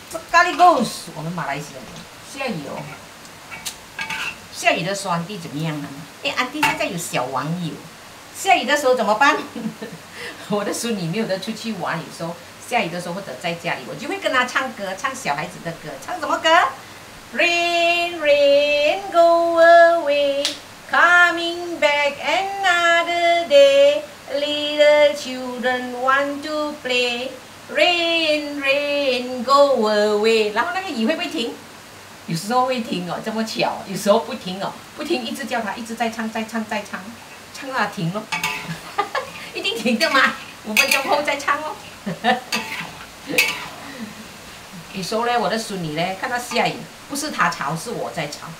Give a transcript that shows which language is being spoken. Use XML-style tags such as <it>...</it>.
<zh>这咖喱 goes， 我们马来西亚的下雨哦，下雨的时候安弟怎么样呢？哎，安弟现在有小网友，下雨的时候怎么办？我的孙女没有得出去玩，有时候下雨的时候或者在家里，我就会跟她唱歌，唱小孩子的歌，唱什么歌？</zh> <en>Rain, rain, go away, coming back another day, little children want to play, rain, rain, go away.</en> <zh>然后那个雨会不会停？有时候会停哦，这么巧，有时候不停哦，不停，一直叫他，一直在唱，在唱，在唱，唱到他停了，一定停的嘛，五分钟后再唱哦。有时候呢，我的孙女呢，看到下雨，不是她吵，是我在吵。</zh>